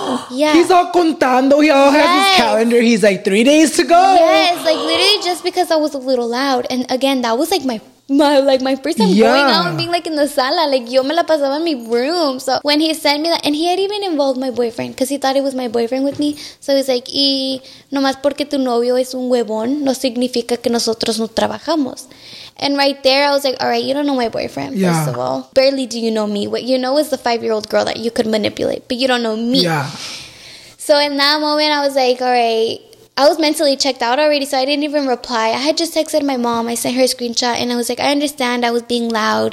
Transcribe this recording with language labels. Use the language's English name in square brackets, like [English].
[English] Yeah. He's all contando, he all has his calendar, he's like 3 days to go. Yes, like literally just because I was a little loud. And again, that was like my first time going out and being like in the sala, like [Spanish] yo me la pasaba [English] in my room. So when he sent me that, and he had even involved my boyfriend because he thought it was my boyfriend with me. So he's like, [Spanish] y nomás porque tu novio es un huevón no significa que nosotros no trabajamos. [English] And right there, I was like, all right, you don't know my boyfriend, first of all. Barely do you know me. What you know is the 5-year-old girl that you could manipulate, but you don't know me. So in that moment, I was like, all right. I was mentally checked out already, so I didn't even reply. I had just texted my mom. I sent her a screenshot, and I was like, I understand I was being loud.